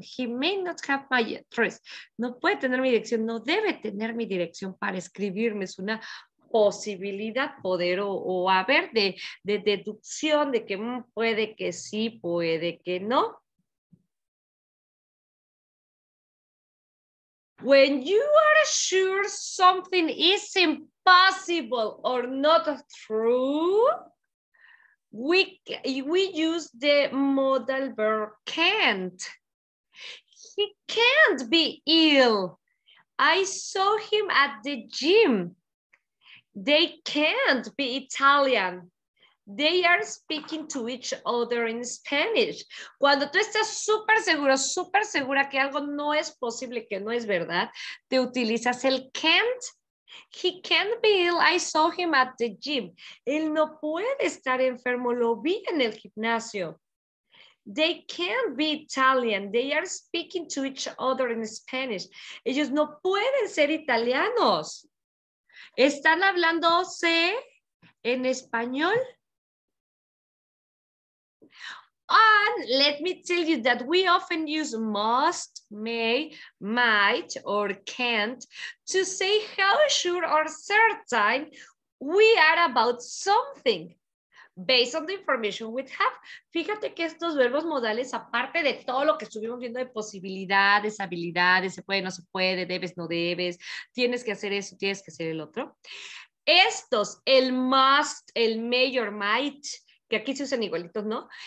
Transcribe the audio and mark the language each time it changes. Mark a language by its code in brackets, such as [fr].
[en] He may not have my address. [es] No puede tener mi dirección, no debe tener mi dirección para escribirme. Es una posibilidad, poder o haber de deducción de que puede que sí, puede que no. [en] When you are sure something is impossible or not true, we use the modal verb can't. He can't be ill. I saw him at the gym. They can't be Italian. They are speaking to each other in Spanish. [es] Cuando tú estás súper seguro, súper segura que algo no es posible, que no es verdad, te utilizas el can't. [en] He can't be ill. I saw him at the gym. [es] Él no puede estar enfermo. Lo vi en el gimnasio. [en] They can't be Italian. They are speaking to each other in Spanish. [es] Ellos no pueden ser italianos. ¿Están hablándose en español? [en] And let me tell you that we often use must, may, might, or can't to say how sure or certain we are about something based on the information we have. [es] Fíjate que estos verbos modales, aparte de todo lo que estuvimos viendo de posibilidades, habilidades, se puede, no se puede, debes, no debes, tienes que hacer eso, tienes que hacer el otro. Estos, el must, el may or might, que aquí se usan igualitos, ¿no?